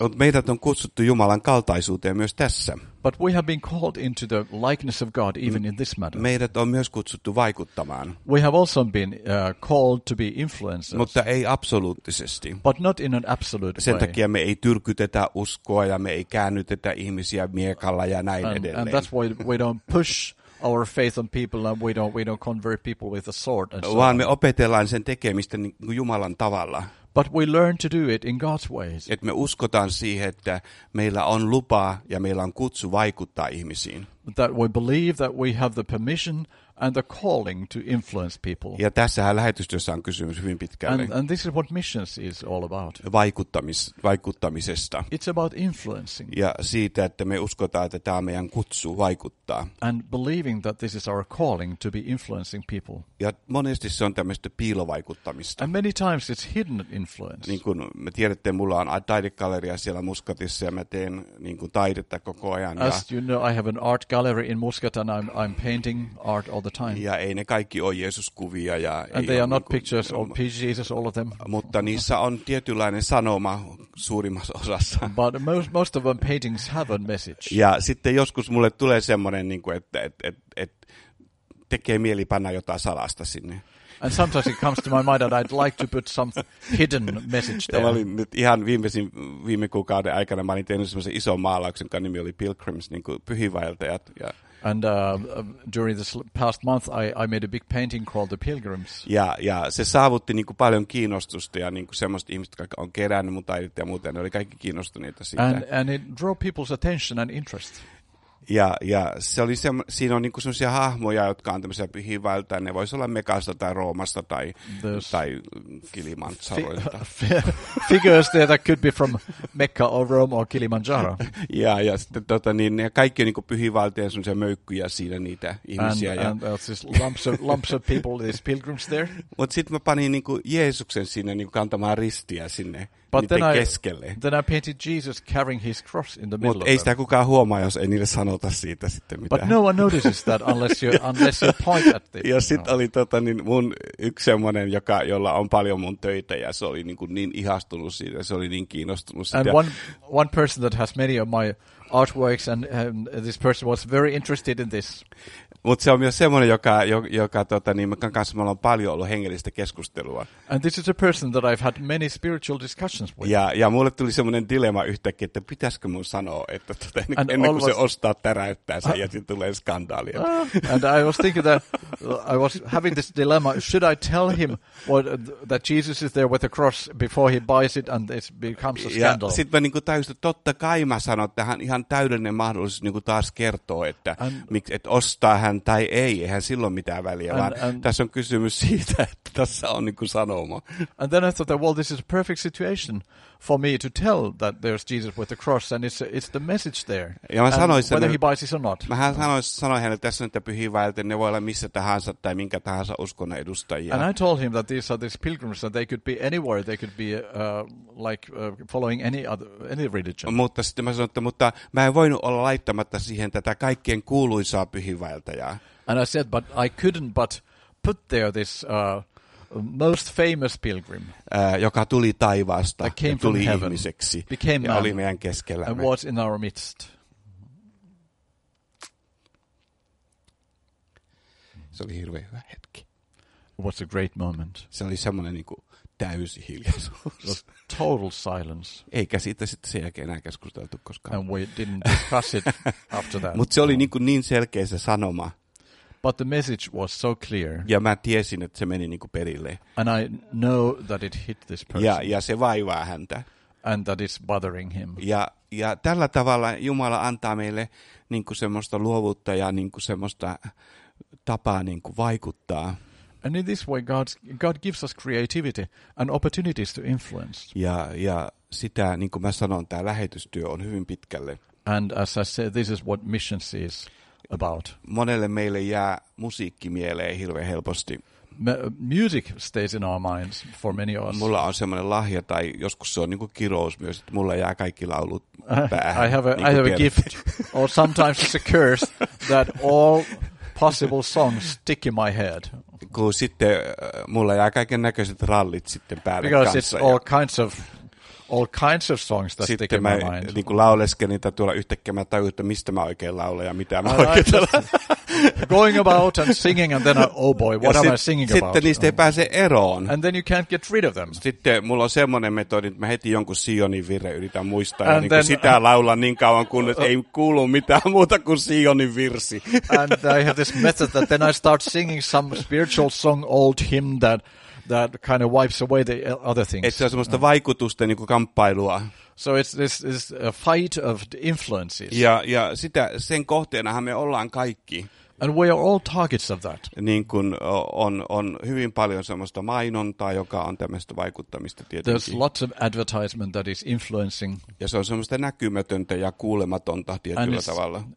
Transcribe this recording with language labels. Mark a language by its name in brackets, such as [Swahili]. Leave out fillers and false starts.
[Finnish] Mutta meidät on kutsuttu Jumalan kaltaisuuteen myös tässä. [English] But we have been called into the likeness of God even in this matter. [Finnish] Meidät on myös kutsuttu vaikuttamaan. [English] We have also been called to be influencers. [Finnish] Mutta ei absoluuttisesti. [English] But not in an absolute way. [Finnish] Sen takia me ei tyrkytetä uskoa ja me ei käännytetä ihmisiä miekalla ja näin edelleen. [English] And that's why we don't push our faith on people and we don't convert people with a sword and so on. [Finnish] Vaan me opetellaan sen tekemistä niin kuin Jumalan tavalla. [English] But we learn to do it in God's ways. [Finnish] Et me uskotaan siihen, että meillä on lupa ja meillä on kutsu vaikuttaa ihmisiin. [English] That we believe that we have the permission and the calling to influence people. [Finnish] Ja tässähän lähetystyössä on kysymys hyvin pitkälle. [English] And this is what missions is all about. [Finnish] Vaikuttamisesta. [English] It's about influencing. [Finnish] Ja siitä, että me uskotaan, että tämä on meidän kutsu vaikuttaa. [English] And believing that this is our calling to be influencing people. [Finnish] Ja monesti se on tämmöistä piilovaikuttamista. [English] And many times it's hidden influence. [Finnish] Niin kuin me tiedätte, mulla on taidegalleria siellä Muscatissa ja mä teen niin kuin taidetta koko ajan. [English] As you know, I have an art gallery in Muscat and I'm painting art all the time. [Finnish] Ja ei ne kaikki ole Jeesus-kuvia. Ja [English] and they are not pictures of Jesus, all of them. [Finnish] Mutta niissä on tietynlainen sanoma suurimmassa osassa. [English] But most of them paintings have a message. [Finnish] Ja sitten joskus mulle tulee semmoinen, niin kuin, että tekee mieli panna jotain salasta sinne. [English] And sometimes it comes to my mind that I'd like to put some hidden message there. [Finnish] Ja mä olin nyt ihan viime kuukauden aikana, mä olin tehnyt semmoisen ison maalauksen, jonka nimi oli Pilgrims, niin kuin pyhiinvaeltajat. Ja [English] and during this past month I made a big painting called The Pilgrims. [Finnish] Ja se saavutti niinku paljon kiinnostusta ja niinku semmoista ihmistä, jotka on kerännyt mun taidetta ja muuten, ne oli kaikki kiinnostuneita siitä. [English] And it drew people's attention and interest. [Finnish] Ja se oli siinä on niinku semmoisia hahmoja, jotka on tämmöisiä pyhiinvaeltajia, ne voisi olla Mekasta tai Roomasta tai Kilimanjaroilta. [English] Figures there that could be from Mecca or Rome or Kilimanjaro. [Finnish] Ja sitten niin ne kaikki on niinku pyhiinvaeltajia, semmoisia möykkyjä siinä niitä ihmisiä. [English] And there's just lumps of people, these pilgrims there. [Finnish] Mut sitten mä panin niinku Jeesuksen sinne niinku kantamaan ristiä sinne. [English] But then I painted Jesus carrying his cross in the middle. [Finnish] Mutta ei sitä kukaan huomaa, jos ei niille sanota siitä sitten mitään. [English] But no one notices that unless you point at it. [Finnish] Ja sitten oli mun yksi semmoinen, jolla on paljon mun töitä, ja se oli niin ihastunut siitä, se oli niin kiinnostunut siitä. [English] And one person that has many of my artworks, and this person was very interested in this. [Finnish] Mutta se on myös semmoinen, joka mä kanssa mulla on paljon ollut hengellistä keskustelua. [English] And this is a person that I've had many spiritual discussions with. [Finnish] Ja mulle tuli semmoinen dilemma yhtäkkiä, että pitäisikö mun sanoa, että ennen kuin se ostaa täräyttäänsä ja sitten tulee skandaalia. [English] And I was thinking that I was having this dilemma, should I tell him that Jesus is there with a cross before he buys it and it becomes a scandal? [Finnish] Ja sitten mä niin kuin tajusin, että totta kai mä sanon, että hän ihan täydellinen mahdollisuus niin kuin taas kertoo, että ostaa hän tai ei, eihän silloin mitään väliä, vaan tässä on kysymys siitä, että tässä on niin kuin sanoma. [English] And then I thought that, well, this is a perfect situation for me to tell that there's Jesus with the cross and it's the message there. [Finnish] Ja mä sanoin sen, [English] whether he buys it or not. [Finnish] Mä sanoin hänelle, tässä on niitä pyhiinvaeltajia, ne voi olla missä tahansa tai minkä tahansa uskonnon edustajia. [English] And I told him that these are these pilgrims and they could be anywhere, they could be following any religion. [Finnish] Mutta sitten mä sanoin, että mutta mä en voinut olla laittamatta siihen tätä kaikkien kuuluisaa pyhiinvaeltajaa. [English] And I said, but I couldn't but put there this most famous pilgrim, [Finnish] joka tuli taivaasta ja tuli ihmiseksi [English] heaven, [Finnish] ja oli meidän keskellämme. [English] And was in our midst. [Finnish] Se oli hirveän hyvä hetki. [English] What's a great moment. [Finnish] Se oli semmoinen niin kuin täysi hiljaisuus. [English] Total silence. [Finnish] Eikä siitä sitten sen jälkeen enää keskusteltu koskaan. [English] And we didn't discuss it after that. [Finnish] Mutta se oli niin kuin niin selkeä se sanoma. [English] But the message was so clear. [Finnish] Ja mä tiesin, että se meni niinku perille. [English] And I know that it hit this person. [Finnish] Ja se vaivaa häntä. [English] And that is bothering him. [Finnish] Ja tällä tavalla Jumala antaa meille niinku semmoista luovuutta ja niinku semmoista tapaa niinku vaikuttaa. [English] And in this way God gives us creativity and opportunities to influence. [Finnish] Ja sitä niinku mä sanon, tää lähetystyö on hyvin pitkälle. [English] And as I said, this is what missions is about. [Finnish] Monelle meille jää musiikki mieleen hirveän helposti. [English] Music stays in our minds for many of us. [Finnish] Mulla on semmoinen lahja, tai joskus se on niinku kirous myös, että mulla jää kaikki laulut päähän. [English] I have a gift, or sometimes it's a curse, that all possible songs stick in my head. [Finnish] Kun sitten mulla jää kaiken näköiset rallit sitten päälle [English] because [Finnish] kanssa. [English] Because it's all kinds of songs that [Finnish] sitten [English] stick in my mind. [Finnish] Sitten mä niinku lauleskelin niitä tuolla, yhtäkkiä mä tajuin, että mistä mä oikein laulan ja mitä mä oikein laulan. [English] Going about and singing and then oh boy, what am I singing about? [Finnish] Sitten niistä ei pääse eroon. [English] And then you can't get rid of them. [Finnish] Sitten mulla on semmoinen metodi, että mä heti jonkun Sionin virre yritän muistaa ja niin sitä laulaa niin kauan, kun ei kuulu mitään muuta kuin Sionin virsi. [English] And I have this method that then I start singing some spiritual song, old hymn that kind of wipes away the other things. [Finnish] Et se on semmoista vaikutusten niinku kamppailua. [English] So it's this a fight of the influences. [Finnish] Ja sitä, sen kohteenahan me ollaan kaikki. [English] And we are all targets of that. [Finnish] Niin kuin on hyvin paljon semmoista mainontaa, joka on tämmöistä vaikuttamista tietenkin. [English] There's lots of advertisement that is influencing. [Finnish] Ja se on semmoista näkymätöntä ja kuulematonta tietyllä tavalla.